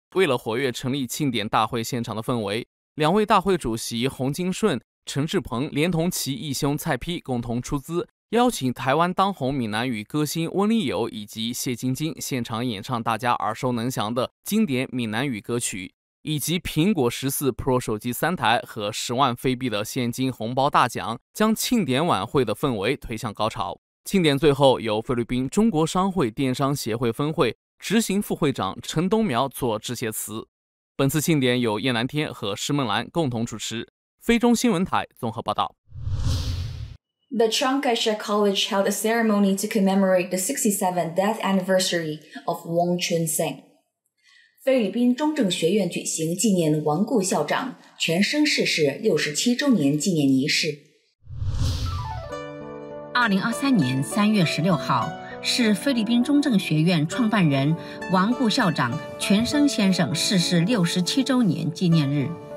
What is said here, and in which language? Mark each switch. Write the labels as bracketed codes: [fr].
[zh] 为了活跃成立庆典大会现场的氛围，两位大会主席洪金顺、陈志鹏连同其义兄蔡丕共同出资，邀请台湾当红闽南语歌星温丽友以及谢晶晶现场演唱大家耳熟能详的经典闽南语歌曲，以及苹果14 Pro 手机3台和10万菲币的现金红包大奖，将庆典晚会的氛围推向高潮。庆典最后由菲律宾中国商会电商协会分会执行副会长陈东苗做致谢词。本次庆典由燕南天和施梦兰共同主持，非中新闻台综合报道。 [en] The Chiang Kai-shek College held a ceremony to commemorate the 67th death anniversary of Wong Chun-sing. [zh] 菲律宾中正学院举行纪念亡故校长全生逝世67周年纪念仪式。 2023年3月16号，是菲律宾中正学院创办人王固校长全生先生逝世67周年纪念日。